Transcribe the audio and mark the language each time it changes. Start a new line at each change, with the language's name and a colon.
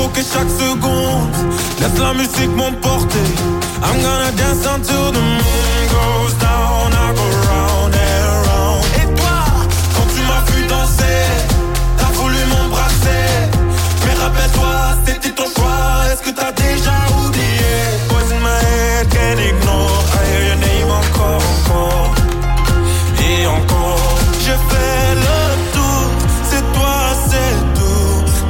French: Chaque seconde, laisse la musique m'emporter.
English: I'm gonna dance until the moon goes down. I go round and round.
French: Et toi, quand tu m'as vu danser, t'as voulu m'embrasser. Mais rappelle-toi, c'était ton choix. Est-ce que t'as déjà oublié?
English: Boys in my head, can't ignore. I hear your name
French: encore, encore et encore. Je fais le tour, c'est toi, c'est tout.